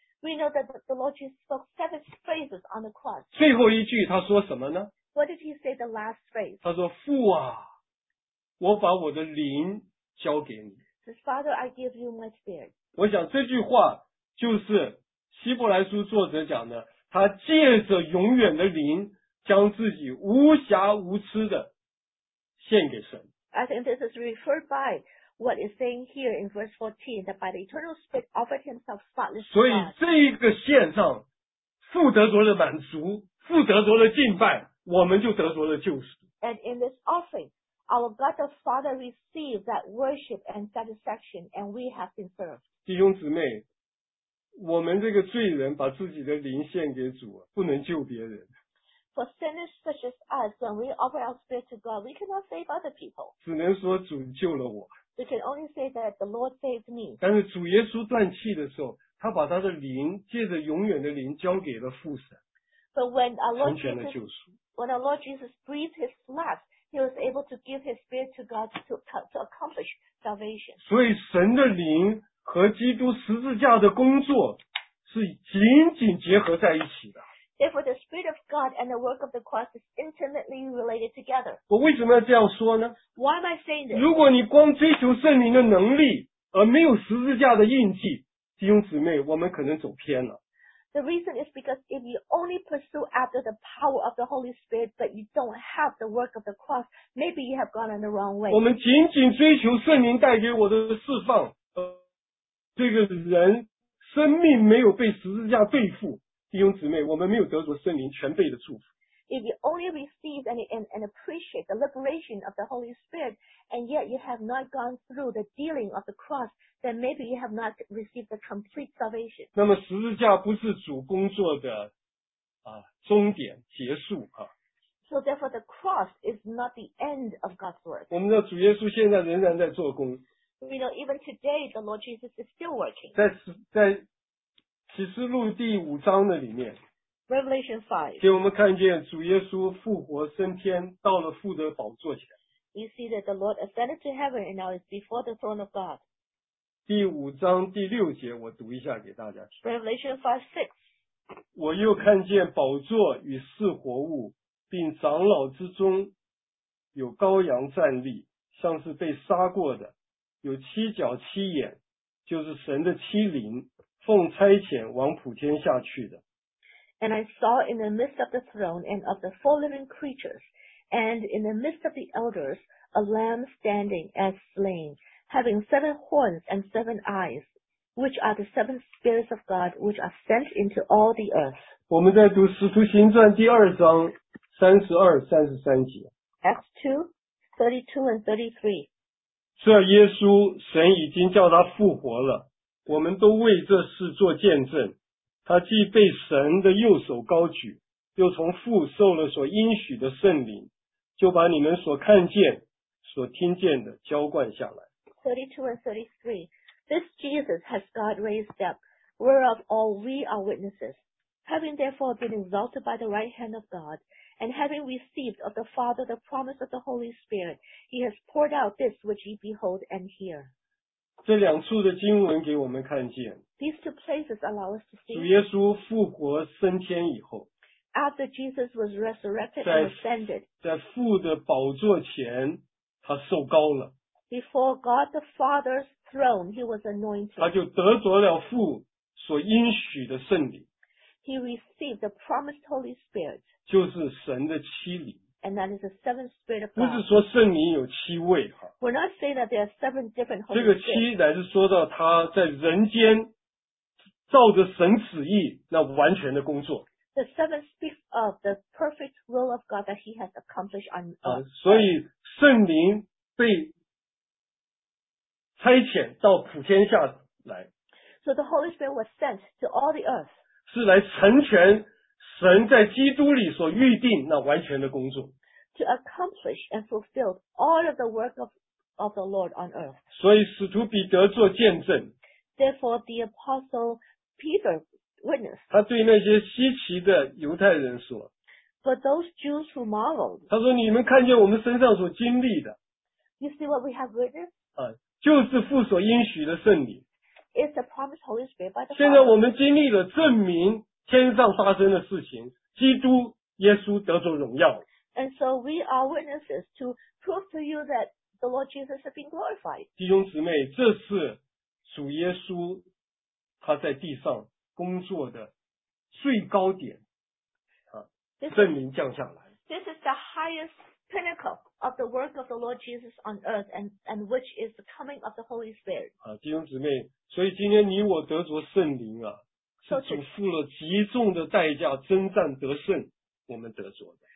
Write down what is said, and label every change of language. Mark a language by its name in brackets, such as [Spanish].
[English] We know that the Lord Jesus spoke seven phrases on the cross. [Chinese] 最后一句他说什么呢？ [English] What did he say the last phrase? [Chinese] 他说，父啊，我把我的灵交给你。 [English] His father, I give you my spirit. [Chinese] 我想这句话就是希伯来书作者讲的，他借着永远的灵将自己无瑕无疵的献给神。 [English] I think this is referred by what is saying here in verse 14, that by the eternal spirit offered himself spotless. [Chinese] 所以这一个献上，父得着了满足，父得着了敬拜，我们就得着了救赎。 [English] And in this offering,Our God the Father received that worship and satisfaction, and we have been served. [Chinese] 弟兄姊妹，我们这个罪人把自己的灵献给主，不能救别人。 [English] For sinners such as us, when we offer our spirit to God, we cannot save other people. [Chinese] 只能说主救了我。 [English] We can only say that the Lord saved me. [Chinese] 但是主耶稣断气的时候，他把他的灵借着永远的灵交给了父神。 [English] But when our Lord Jesus breathed his last. He was able to give his spirit to God to accomplish salvation. [Chinese] 所以神的灵和基督十字架的工作是紧紧结合在一起的。 [English] Therefore, the spirit of God and the work of the cross is intimately related together. [Chinese] 我为什么要这样说呢？ [English] Why am I saying this? [Chinese] 如果你光追求圣灵的能力而没有十字架的印记，弟兄姊妹，我们可能走偏了。 [English] The reason is because if you only pursue after the power of the Holy Spirit, but you don't have the work of the cross, maybe you have gone in the wrong way. [Chinese] 我们仅仅追求圣灵带给我的释放，这个人生命没有被十字架背负，弟兄姊妹，我们没有得着圣灵全备的祝福。 [English] If you only receive and appreciate the liberation of the Holy Spirit, and yet you have not gone through the dealing of the cross, then maybe you have not received the complete salvation. [Chinese] 那么十字架不是主工作的终点结束啊。 [English] So therefore, the cross is not the end of God's work. [Chinese] 我们知道主耶稣现在仍然在做工。 [English] We know even today the Lord Jesus is still working. [Chinese] 在启示录第五章的里面。 [English] Revelation 5. [Chinese] 给我们看见主耶稣复活升天，到了父的宝座前。 [English] You see that the Lord ascended to heaven and now is before the throne of God. [Chinese] 第五章第六节，我读一下给大家听。 [English] Revelation 5:6. [Chinese] 我又看见宝座与四活物，并长老之中有羔羊站立，像是被杀过的，有七角七眼，就是神的妻灵奉差遣往普天下去的。 [English] And I saw in the midst of the throne and of the four living creatures, and in the midst of the elders, a lamb standing as slain, having seven horns and seven eyes, which are the seven spirits of God, which are sent into all the earth. [Chinese] 我们在读《使徒行传》第二章三十二、三十三节。 [English] Acts 2:32-33. [Chinese] 这耶稣神已经叫他复活了，我们都为这事做见证。他既被神的右手高举，又从父受了所应许的圣灵，就把你们所看见、所听见的浇灌下来。 [English] 32:33. This Jesus has God raised up, whereof all we are witnesses. Having therefore been exalted by the right hand of God, and having received of the Father the promise of the Holy Spirit, he has poured out this which ye behold and hear. [Chinese] 这两处的经文给我们看见。 [English] These two places allow us to see. [Chinese] 主耶稣复活升天以后。 [English] After Jesus was resurrected and ascended. [Chinese] 在父的宝座前，他受膏了。 [English] Before God the Father's throne, he was anointed. [Chinese] 他就得着了父所应许的圣灵。 [English] He received the promised Holy Spirit. [Chinese] 就是神的七灵。 [English] And that is the seventh spirit of God. [Chinese] 不是说圣灵有七位。 [English] We're not saying that there are seven different Holy [Chinese] Spirits. 这个七乃是说到他在人间照着神旨意那完全的工作。 [English] The seven speaks of the perfect will of God that he has accomplished on earth. [Chinese] 所以圣灵被差遣到普天下来。 [English] So the Holy Spirit was sent to all the earth. [Chinese] 是来成全神在基督里所预定那完全的工作。 [English] To accomplish and fulfill all of the work of the Lord on earth. [Chinese] 所以使徒彼得做见证。 [English] Therefore the apostle Peter witnessed. [Chinese] 他对那些稀奇的犹太人说。 [English] But those Jews who marveled. [Chinese] 他说你们看见我们身上所经历的。 [English] You see what we have witnessed? [Chinese] 就是父所应许的圣灵。 [English] It's the promised Holy Spirit by the Father. [Chinese] 现在我们经历了证明天上发生的事情，基督耶稣得着荣耀。 [English] And so we are witnesses to prove to you that the Lord Jesus has been glorified. [Chinese] 弟兄姊妹，这是主耶稣他在地上工作的最高点，圣灵降下来。 [English] This is the highest pinnacle of the work of the Lord Jesus on earth, and which is the coming of the Holy Spirit. [Chinese] 弟兄姊妹。所以今天你我得着圣灵啊，是主付了极重的代价征战得胜，我们得着的。